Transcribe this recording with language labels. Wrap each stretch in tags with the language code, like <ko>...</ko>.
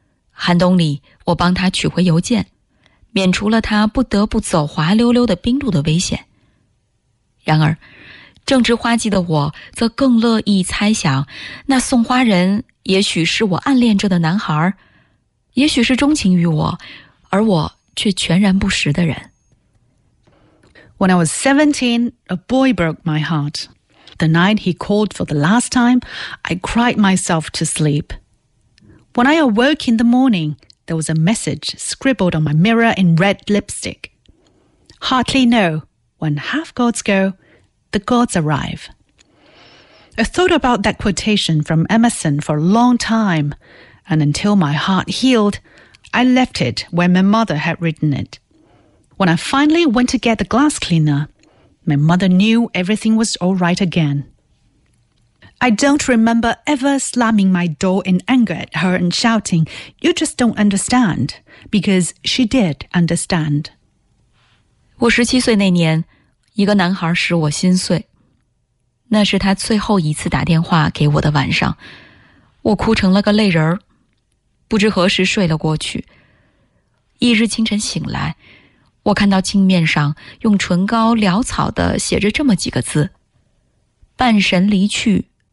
<zh>寒冬里我帮他取回邮件，免除了他不得不走滑溜溜的冰路的危险。然而，正值花季的我则更乐意猜想，那送花人也许是我暗恋着的男孩，也许是钟情于我，而我却全然不识的人。</zh> <en>When I was 17, a boy broke my heart. The night he called for the last time, I cried myself to sleep. When I awoke in the morning, there was a message scribbled on my mirror in red lipstick. Hardly know, when half gods go, the gods arrive. I thought about that quotation from Emerson for a long time, and until my heart healed, I left it where my mother had written it. When I finally went to get the glass cleaner, my mother knew everything was all right again. I don't remember ever slamming my door in anger at her and shouting, You just don't understand, because she did understand.</en> <zh>我17岁那年，一个男孩使我心碎。那是他最后一次打电话给我的晚上，我哭成了个泪人儿，不知何时睡了过去。翌日清晨醒来，我看到镜面上用唇膏潦草地写着这么几个字，半神离去。</zh>